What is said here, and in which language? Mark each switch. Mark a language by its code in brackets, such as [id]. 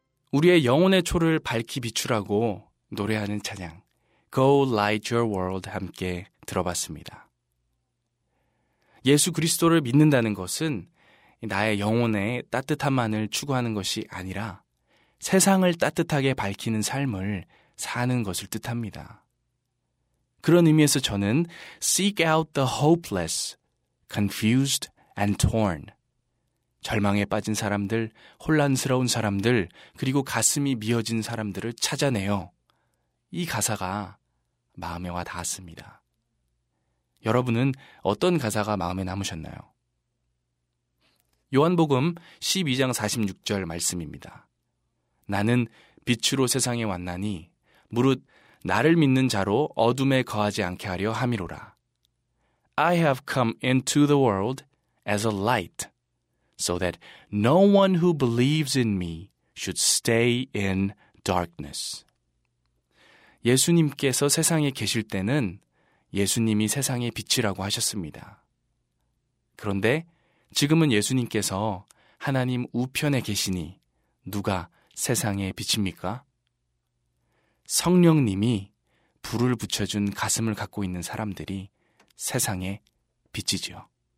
[ko] 우리의 영혼의 초를 밝히 비추라고 노래하는 찬양 Go Light Your World 함께 들어봤습니다. 예수 그리스도를 믿는다는 것은 나의 영혼의 따뜻함만을 추구하는 것이 아니라 세상을 따뜻하게 밝히는 삶을 사는 것을 뜻합니다. 그런 의미에서 저는 [en] Seek out the hopeless, confused and torn. [ko] 절망에 빠진 사람들, 혼란스러운 사람들, 그리고 가슴이 미어진 사람들을 찾아내요. 이 가사가 마음에 와 닿았습니다. 여러분은 어떤 가사가 마음에 남으셨나요? 요한복음 12장 46절 말씀입니다. 나는 빛으로 세상에 왔나니, 무릇 나를 믿는 자로 어둠에 거하지 않게 하려 함이로라. [en] I have come into the world as a light. So that no one who believes in me should stay in darkness. [ko] 예수님께서 세상에 계실 때는 예수님이 세상의 빛이라고 하셨습니다. 그런데 지금은 예수님께서 하나님 우편에 계시니 누가 세상의 빛입니까? 성령님이 불을 붙여준 가슴을 갖고 있는 사람들이 세상의 빛이죠.